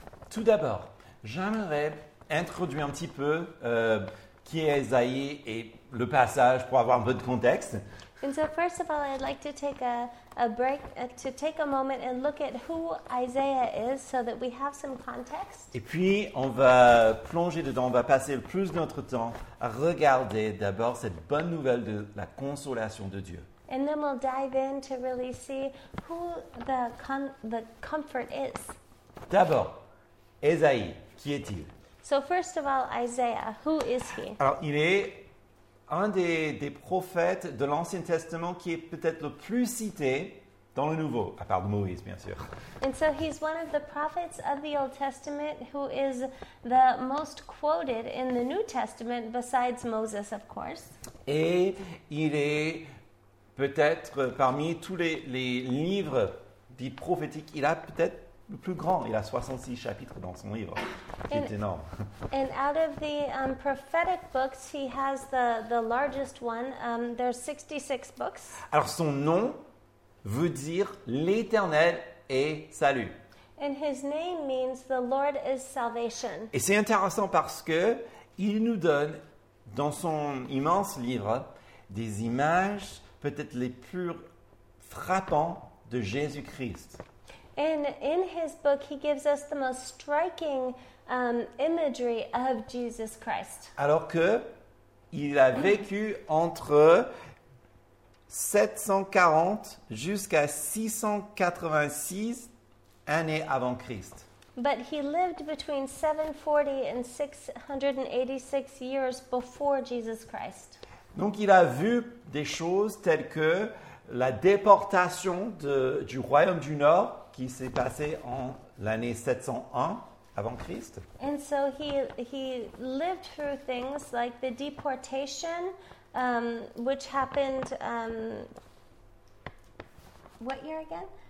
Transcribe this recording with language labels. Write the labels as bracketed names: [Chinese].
[French] Tout d'abord, j'aimerais introduire un petit peu qui est Ésaïe et le passage pour avoir un peu de contexte. [English] And so first of all, I'd like to take a break, to take a moment and look at who Isaiah is so that we have some context. [French] Et puis, on va plonger dedans, on va passer le plus de notre temps à regarder d'abord cette bonne nouvelle de la consolation de Dieu. [English] And then we'll dive in to really see who the comfort is. [French] D'abord, Ésaïe, qui est-il? [English] So first of all, Isaiah, who is he? [French] Alors, il est un des prophètes de l'Ancien Testament qui est peut-être le plus cité dans le Nouveau, à part de Moïse, bien sûr. [English] And so he's one of the prophets of the Old Testament who is the most quoted in the New Testament, besides Moses, of course. [French] Et il est peut-être parmi tous les livres dits prophétiques, il a peut-être le plus grand. Il a 66 chapitres dans son livre, qui est énorme. [English] And out of the prophetic books, he has the largest one. There's 66 books. [French] Alors son nom veut dire l'Éternel est salut. [English] And his name means the Lord is salvation. [French] Et c'est intéressant parce que il nous donne dans son immense livre des images peut-être les plus frappants de Jésus-Christ. [English] And in his book, he gives us the most striking imagery of Jesus Christ. [French] Alors que Il a vécu entre 740 jusqu'à 686 années avant Christ. [English] But he lived between 740 and 686 years before Jesus Christ. [French] Donc il a vu des choses telles que la déportation du royaume du Nord qui s'est passée en l'année 701 avant Christ. [English] And so he lived through things like the deportation which happened what year again?